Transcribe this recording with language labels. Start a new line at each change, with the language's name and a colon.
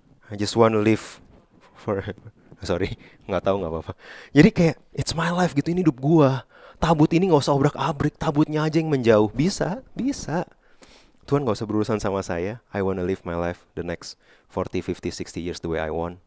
English: I just want to live forever. Sorry,
Indonesian: gak tahu, gak apa-apa. Jadi kayak,
English: it's my life
Indonesian: gitu, ini hidup gua. Tabut ini gak usah obrak-abrik, tabutnya aja yang menjauh. Bisa, bisa. Tuhan gak usah berurusan sama saya.
English: I want to live my life the next 40, 50, 60 years the way I want.